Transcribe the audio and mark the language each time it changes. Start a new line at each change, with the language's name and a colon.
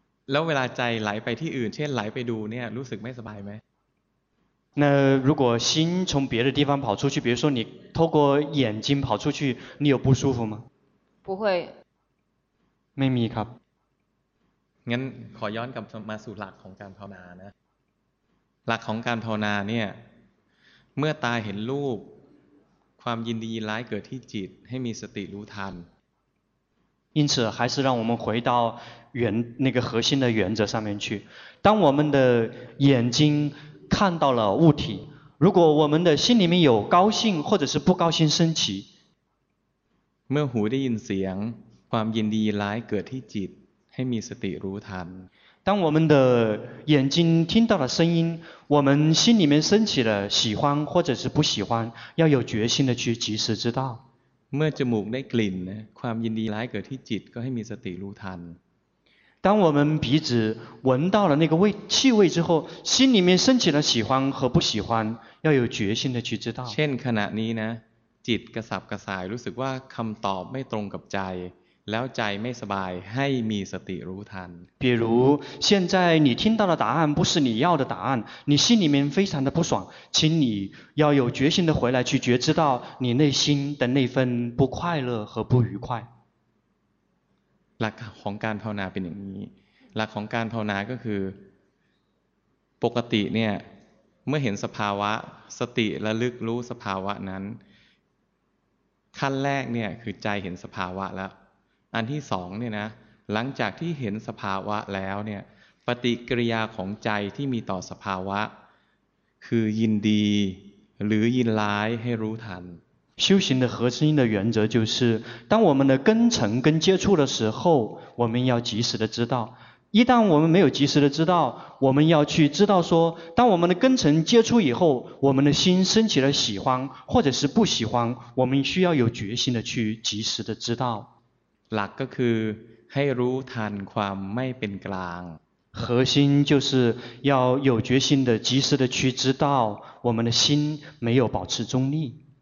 Thai: แล้วเวลาใจไหลไปที่อื่นเช่นไหลไปดูเนี่ยรู้สึกไม่สบายไหม
Chinese: 那如果心从别的地方跑出去比如说你透过眼睛跑出去你有不舒服吗不会
Thai: ไม่มีครับ งั้นขอย้อนกลับมาสู่หลักของการภาวนานะหลักของการภาวนาเนี่ยเมื่อตาเห็นรูปความยินดียินร้ายเกิดที่จิตให้มีสติรู้ทัน
Chinese: 因此还是让我们回到原那个核心的原则上面去当我们的眼睛看到了物体如果我们的心里面有高兴或者是不高兴升起
Thai: เมื่อหูได้ยินเสียงความยินดียินร้ายเกิดที่จิตให้มีสติรู้ทัน
Chinese: 当我们的眼睛听到了声音，我们心里面升起了喜欢或者是不喜欢，要有决心的去及时知道。
Thai: เมื่อจมูกได้กลิ่นนะความยินดีร้ายเกิดที่จิตก็ให้มีสติรู้ทัน
Chinese: 当我们鼻子闻到了那个味气味之后，心里面升起了喜欢和不喜欢，要有决心的去知道。
Thai: เช่นขณะนี้นะจิตกระสับกระส่ายรู้สึกว่าคำตอบไม่ตรงกับใจแล้วใจไม่สบายให้มีสติรู้ทัน
Chinese: 比如现在你听到的答案不是你要的答案，你心里面非常的不爽，请你要有决心的回来去觉知到你内心的那份不快乐和不愉快。
Thai: หลักของการภาวนาเป็นอย่างนี้หลักของการภาวนาก็คือปกติเนี่ยเมื่อเห็นสภาวะสติระลึกรู้สภาวะนั้นขั้นแรกเนี่ยคือใจเห็นสภาวะแล้วอันที่สองเนี่ยนะหลังจากที่เห็นสภาวะแล้วเนี่ยปฏิกิริยาของใจที่มีต่อสภาวะคือยินดีหรือยินร้ายให้รู้ทัน
Chinese: 修行的核心的原则就是，当我们的根尘跟接触的时候，我们要及时的知道。一旦我们没有及时的知道，我们要去知道说，当我们的根尘接触以后，我们的心升起了喜欢或者是不喜欢，我们需要有决心的去及时的知道。
Thai: หลักก็คือให้รู้ทันความไม่เป็นกลาง。
Chinese: 核心就是要有决心的及时的去知道我们的心没有保持中立。